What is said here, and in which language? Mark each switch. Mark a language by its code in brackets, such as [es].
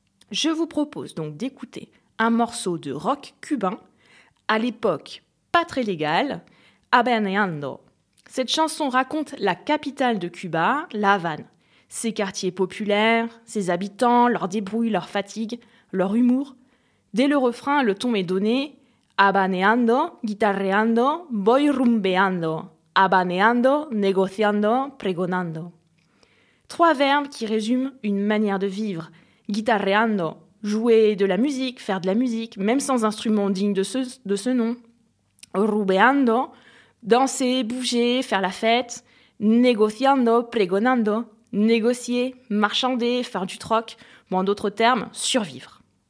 [fr] Je vous propose donc d'écouter un morceau de rock cubain, à l'époque pas très légal, Habaneando, Cette chanson raconte la capitale de Cuba, La Havane. Ses quartiers populaires, ses habitants, leur débrouille, leur fatigue, leur humour. Dès le refrain, le ton est donné. [es] Habaneando, guitarreando, voy rumbeando. Habaneando, negociando, pregonando. [fr] Trois verbes qui résument une manière de vivre. Guitarreando, jouer de la musique, faire de la musique, même sans instrument digne de ce nom. Rumbeando, danser, bouger, faire la fête. Negociando, pregonando, négocier, marchander, faire du troc, ou en d'autres termes, survivre.